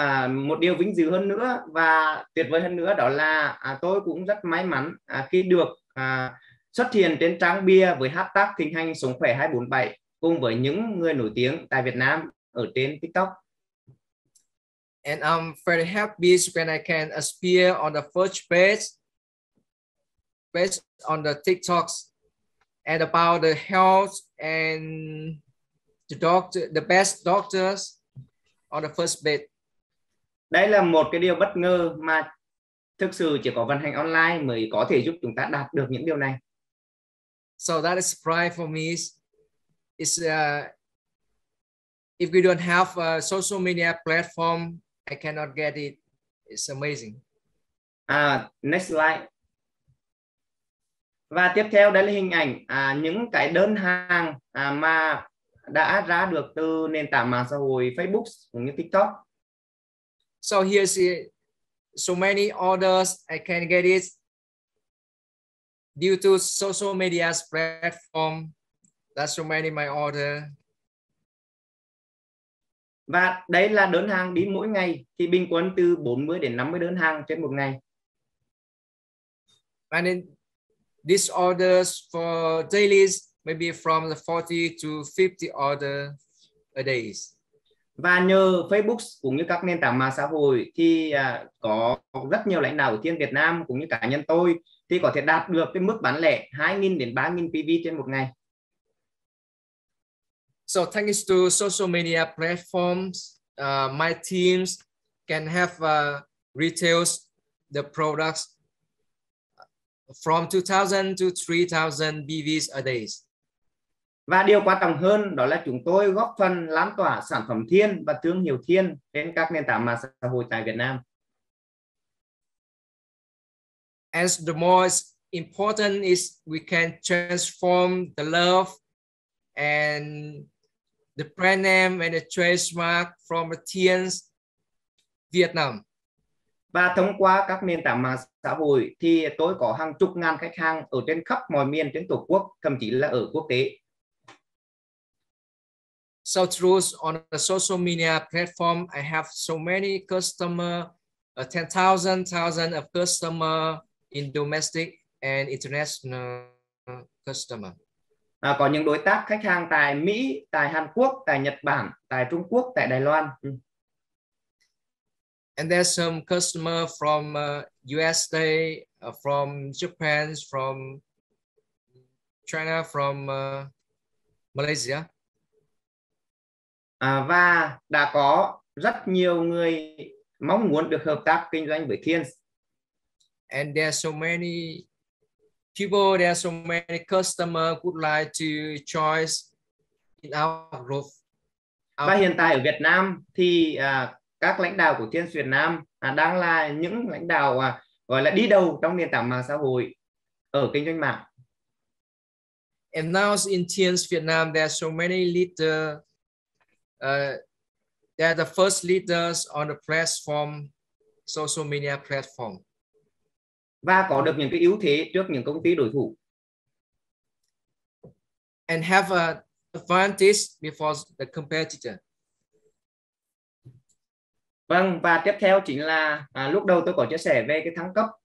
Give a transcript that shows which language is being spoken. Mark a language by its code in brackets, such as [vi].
[vi] Một điều vinh dự hơn nữa và tuyệt vời hơn nữa đó là tôi cũng rất may mắn khi được xuất hiện trên trang bia với hashtag thịnh hành sống khỏe 247 cùng với những người nổi tiếng tại Việt Nam ở trên TikTok. [en] And I'm very happy when I can appear on the first page based on the TikToks and about the health and the best doctors on the first bit. [vi] Đây là một cái điều bất ngờ mà thực sự chỉ có vận hành online mới có thể giúp chúng ta đạt được những điều này. [en] So that is surprise for me. If we don't have a social media platform, I cannot get it. It's amazing. Next slide. [vi] Và tiếp theo đây là hình ảnh những cái đơn hàng mà đã ra được từ nền tảng mạng xã hội Facebook cũng như TikTok. [en] So here's it. So many orders I can get it due to social media platform. That's so many my order. [vi] Và đây là đơn hàng đi mỗi ngày thì bình quân từ 40 đến 50 đơn hàng trên một ngày. [en] And then these orders for dailies maybe from the 40 to 50 order a day. [vi] Và nhờ Facebook cũng như các nền tảng mạng xã hội thì có rất nhiều lãnh đạo ở trên Việt Nam cũng như cá nhân tôi thì có thể đạt được cái mức bán lẻ 2.000 đến 3.000 PV trên một ngày. [en] So thanks to social media platforms, my teams can have retails the products from 2,000 to 3,000 BVs a day. [vi] Và điều quan trọng hơn đó là chúng tôi góp phần lan tỏa sản phẩm Thiên và thương hiệu Thiên trên các nền tảng mạng xã hội tại Việt Nam. [en] As the most important is we can transform the love and the brand name and the trademark from Thiên Vietnam. [vi] Và thông qua các nền tảng mạng xã hội thì tôi có hàng chục ngàn khách hàng ở trên khắp mọi miền trên Tổ quốc, thậm chí là ở quốc tế. [en] So through on the social media platform, I have so many customer, 10,000 of customer in domestic and international customer. [vi] Có những đối tác khách hàng tại Mỹ, tại Hàn Quốc, tại Nhật Bản, tại Trung Quốc, tại Đài Loan. [en] And there's some customer from USA, from Japan, from China, from Malaysia. [vi] Và đã có rất nhiều người mong muốn được hợp tác kinh doanh với Thiên. [en] And there are so many people, there are so many customers would like to join in our group. [vi] Và hiện tại ở Việt Nam thì các lãnh đạo của Thiên Việt Nam đang là những lãnh đạo gọi là đi đầu trong nền tảng mạng xã hội ở kinh doanh mạng. [en] And now in Thiên Việt Nam, there are so many leaders. They are the first leaders on the platform, social media platform. [vi] Và có được những cái ưu thế trước những công ty đối thủ. [en] And have an advantage before the competitor. [vi] Vâng, và tiếp theo chính là lúc đầu tôi có chia sẻ về cái thăng cấp.